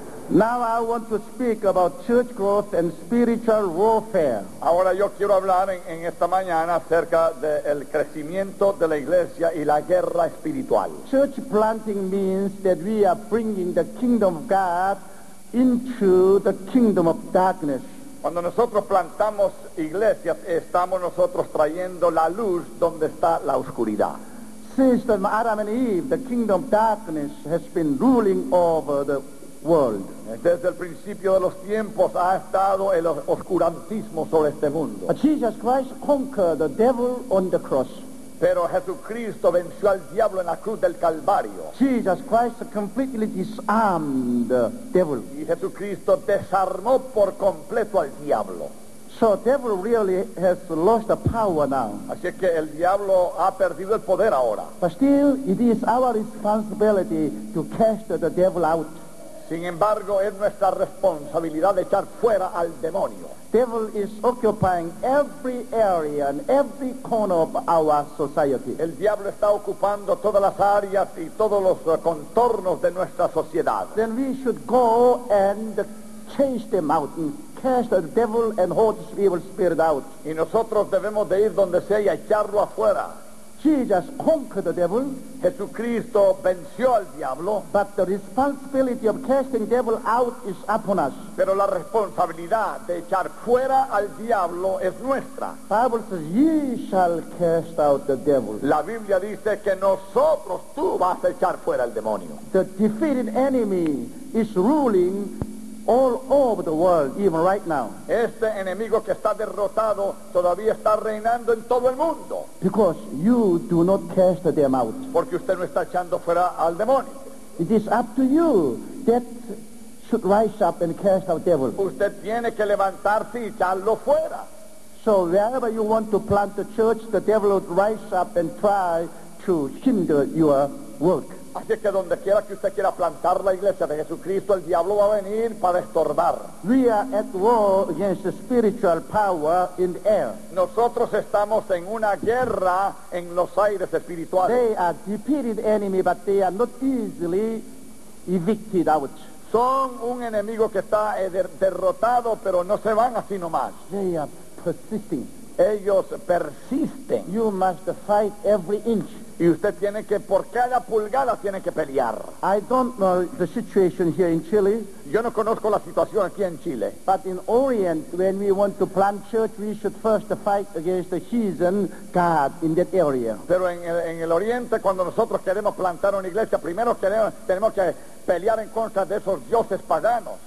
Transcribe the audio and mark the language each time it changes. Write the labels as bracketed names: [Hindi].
[English] Now I want to speak about church growth and spiritual warfare. [Spanish] Ahora yo quiero hablar en esta mañana acerca de el crecimiento de la iglesia y la guerra espiritual. [English] Church planting means that we are bringing the kingdom of God into the kingdom of darkness. [Spanish] Cuando nosotros plantamos iglesias, estamos nosotros trayendo la luz donde está la oscuridad. [English] Since the Adam and Eve, the kingdom of darkness has been ruling over the world. [Spanish] Desde el principio de los tiempos ha estado el oscurantismo sobre este mundo. [English] But Jesus Christ conquered the devil on the cross. [Spanish] Pero Jesucristo venció al diablo en la cruz del Calvario. [English] Jesus Christ completely disarmed the devil. [Spanish] Y Jesucristo desarmó por completo al diablo. [English] So devil really has lost the power now. [Spanish] Así que el diablo ha perdido el poder ahora. [English] But still, it is our responsibility to cast the devil out. [Spanish] Sin embargo, es nuestra responsabilidad de echar fuera al demonio. [English] Devil is occupying every area and every corner of our society. [Spanish] El diablo está ocupando todas las áreas y todos los contornos de nuestra sociedad. [English] Then we should go and chase them out and cast the devil and hold this evil spirit out. [Spanish] Y nosotros debemos de ir donde sea y echarlo afuera. [English] Jesus conquered the devil. [Spanish] Jesucristo venció al diablo. [English] But the responsibility of casting devil out is upon us. [Spanish] Pero la responsabilidad de echar fuera al diablo es nuestra. [English] Bible says, "Ye shall cast out the devil." [Spanish] La Biblia dice que nosotros tú vas a echar fuera al demonio. [English] The defeated enemy is ruling all over the world, even right now. [Spanish] Este enemigo que está derrotado todavía está reinando en todo el mundo. [English] Because you do not cast them out. [Spanish] Porque usted no está echando fuera al demonio. [English] It is up to you that should rise up and cast out devil. [Spanish] Usted tiene que levantarse y echarlo fuera. [English] So wherever you want to plant the church, the devil would rise up and try to hinder your work. [Spanish] Así que donde quiera que usted quiera plantar la iglesia de Jesucristo, el diablo va a venir para estorbar. [English] We are at war against the spiritual power in the air. [Spanish] Nosotros estamos en una guerra en los aires espirituales. [English] They are defeated enemy, but they are not easily evicted out. [Spanish] Son un enemigo que está derrotado, pero no se van así nomás. [English] They are persisting. [Spanish] Ellos persisten. [English] You must fight every inch. [Spanish] Y usted tiene que, por cada pulgada tiene que pelear. [English] I don't know the situation here in Chile. [Spanish] Yo no conozco la situación aquí en Chile. [English] But in Orient, when we want to plant church, we should first fight against the heathen God in that area. [Spanish] Pero en el Oriente, cuando nosotros queremos plantar una iglesia, primero tenemos que pelear en contra de esos dioses paganos.